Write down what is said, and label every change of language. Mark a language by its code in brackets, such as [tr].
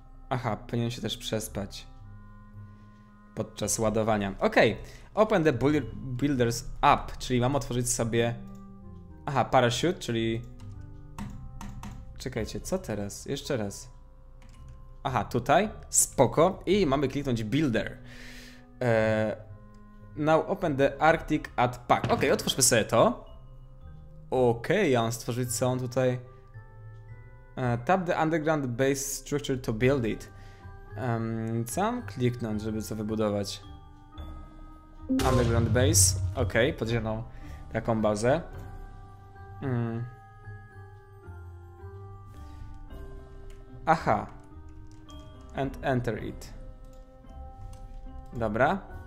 [pl] Aha, powinien się też przespać. podczas ładowania. [en] Ok, open the builder's app, [pl] czyli mam otworzyć sobie... Aha, parachute, czyli... Czekajcie, co teraz? Jeszcze raz. Aha, tutaj, spoko, i mamy kliknąć builder. [en] Now open the Arctic at pack. [pl] Ok, otwórzmy sobie to. Ok, ja mam stworzyć całą tutaj. [en] Tap the underground base structure to build it. [pl] Co mam kliknąć, żeby co wybudować? Underground base, ok, podziemną taką bazę. [en] Aha. And enter it. Dobra.